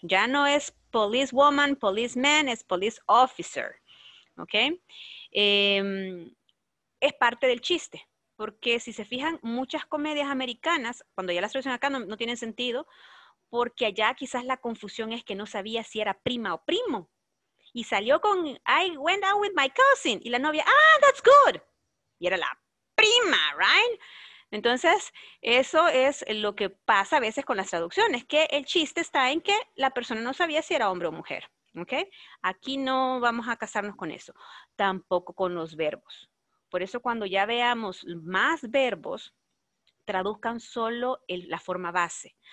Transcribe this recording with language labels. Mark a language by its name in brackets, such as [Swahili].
[Spanish] Ya no es police woman, police man, es police officer. ¿Ok? Es parte del chiste. Porque si se fijan, muchas comedias americanas, cuando ya las traducen acá, no tienen sentido. Porque allá quizás la confusión es que no sabía si era prima o primo. Y salió con, [English] I went out with my cousin. [Spanish] Y la novia, ah, [English] that's good. [Spanish] Y era la prima, right? Entonces, eso es lo que pasa a veces con las traducciones, que el chiste está en que la persona no sabía si era hombre o mujer, ¿ok? Aquí no vamos a casarnos con eso, tampoco con los verbos. Por eso cuando ya veamos más verbos, traduzcan solo la forma base.